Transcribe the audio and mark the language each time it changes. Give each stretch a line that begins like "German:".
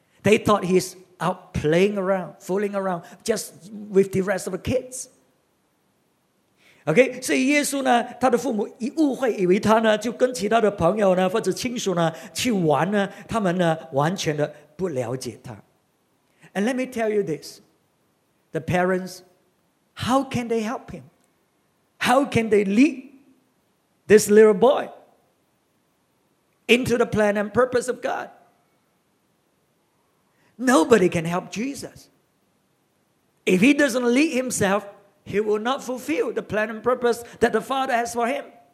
English: They thought he's out playing around, fooling around, just with the rest of the kids.
Chinese: OK， 所以耶稣呢，他的父母一误会，以为他呢就跟其他的朋友呢或者亲属呢去玩呢，他们呢完全的不了解他。
English: And let me tell you this, the parents, how can they help him? How can they lead this little boy into the plan and purpose of God? Nobody can help Jesus. If he doesn't lead himself, he will not fulfill the plan and purpose that the Father has for him.